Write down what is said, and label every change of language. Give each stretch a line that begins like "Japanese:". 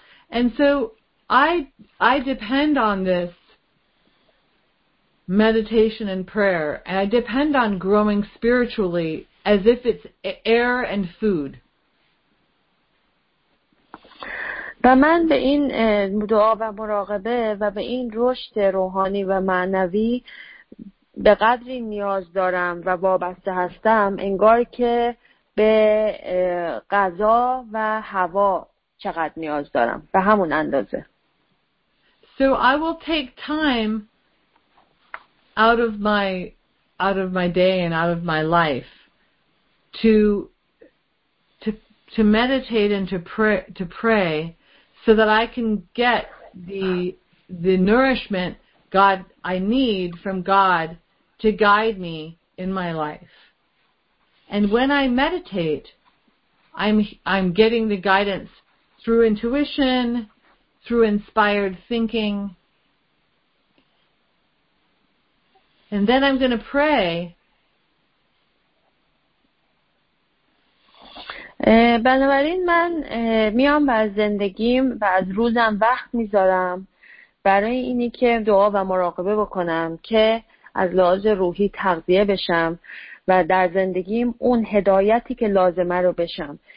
English: And so I depend on this meditation and prayer, and I depend on growing spiritually as if it's air and food.
Persian: و من به این دعا و مراقبه و به این رشد روحانی و معنوی به قدری نیاز دارم و وابسته هستم انگار که به غذا و هوا چقدر نیاز دارم به همون اندازه.
English: So I will take time out of my day and out of my life to meditate and to pray so that I can get the nourishment God I need from God to guide me in my life. And when I meditate, I'm getting the guidance through intuition, through inspired thinking. And then I'm going to pray.
Persian: بنابراین من میام و از زندگیم و از روزم وقت میذارم برای اینی که دعا و مراقبه بکنم که از لحاظ روحی تغذیه بشم و در زندگیم اون هدایتی که لازمه رو بشم.